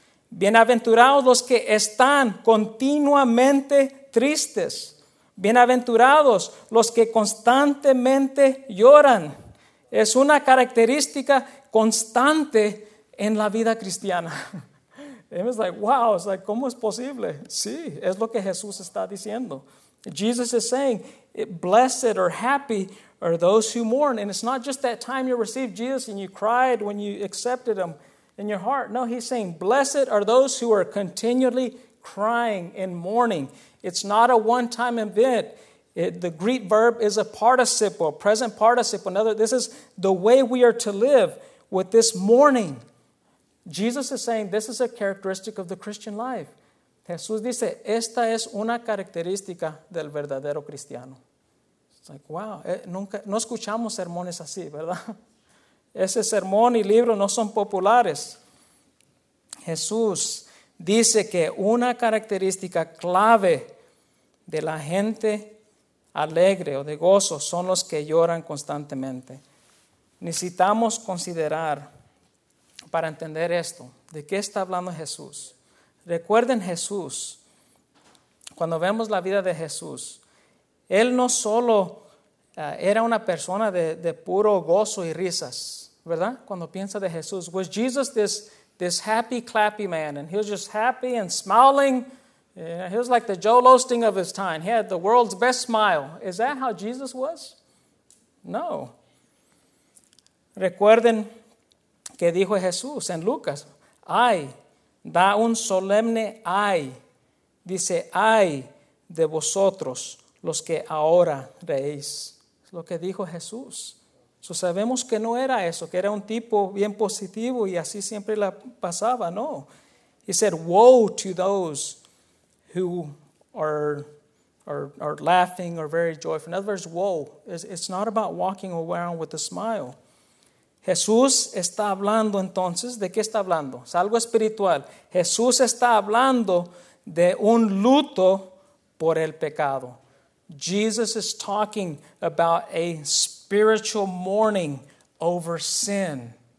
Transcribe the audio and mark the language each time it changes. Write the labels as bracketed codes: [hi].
[es] Bienaventurados los que están continuamente tristes. Bienaventurados los que constantemente lloran. Es una característica constante en la vida cristiana. [en] And it's like, wow, it's like, [es] ¿cómo es posible? Sí, es lo que Jesús está diciendo. [en] Jesus is saying, blessed or happy are those who mourn. And it's not just that time you received Jesus and you cried when you accepted him in your heart. No, he's saying, blessed are those who are continually crying and mourning. It's not a one-time event. The Greek verb is a participle, present participle. Another, this is the way we are to live with this mourning. Jesus is saying, this is a characteristic of the Christian life. [es] Jesús dice, esta es una característica del verdadero cristiano. [en] It's like, wow, [es] nunca, no escuchamos sermones así, ¿verdad? Ese sermón y libro no son populares. Jesús dice que una característica clave de la gente alegre o de gozo son los que lloran constantemente. Necesitamos considerar para entender esto, ¿de qué está hablando Jesús? Recuerden Jesús, cuando vemos la vida de Jesús, él no solo era una persona de puro gozo y risas, ¿verdad? Cuando piensa de Jesús, [en] was Jesus this happy, clappy man, and he was just happy and smiling. Yeah, he was like the Joel Osteen of his time. He had the world's best smile. Is that how Jesus was? No. [es] Recuerden que dijo Jesús en Lucas, ay, da un solemne ay. Dice, ay de vosotros los que ahora reís. Es lo que dijo Jesús. So sabemos que no era eso, que era un tipo bien positivo y así siempre la pasaba, no. [en] He said, woe to those who are laughing or very joyful. In other words, woe. It's not about walking around with a smile. [es] Jesús está hablando entonces, ¿de qué está hablando? Es algo espiritual. Jesús está hablando de un luto por el pecado. [en] Jesus is talking about a spiritual mourning over sin.